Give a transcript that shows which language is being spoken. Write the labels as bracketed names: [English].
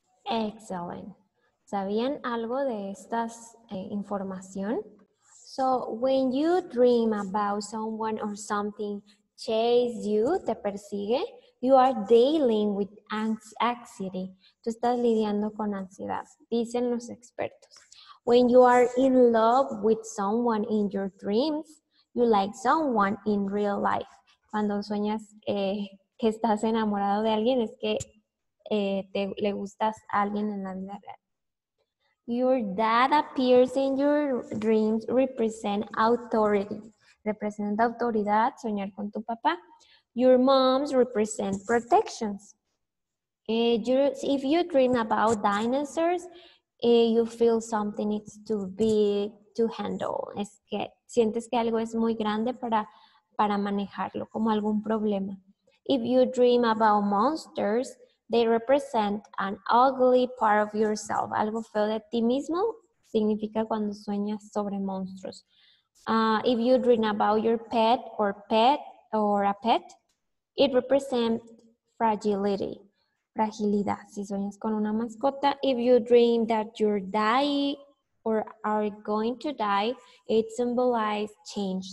[English] Excellent. [Spanish] ¿Sabían algo de esta información? [English] So, when you dream about someone or something chase you, [Spanish] te persigue, [English] you are dealing with anxiety. [Spanish] Tú estás lidiando con ansiedad, dicen los expertos. [English] When you are in love with someone in your dreams, you like someone in real life. [Spanish] Cuando sueñas que estás enamorado de alguien, es que le gustas a alguien en la vida real. [English] Your dad appears in your dreams, represent authority. [Spanish] Representa autoridad, soñar con tu papá. [English] Your moms represent protections. If you dream about dinosaurs, you feel something it's too big to handle. [Spanish] Es que sientes que algo es muy grande para manejarlo, como algún problema. [English] If you dream about monsters, they represent an ugly part of yourself. [Spanish] Algo feo de ti mismo significa cuando sueñas sobre monstruos. [English] If you dream about your pet, it represents fragility. [Spanish] Fragilidad, si sueñas con una mascota. [English] If you dream that you're dying or are going to die, it symbolizes change.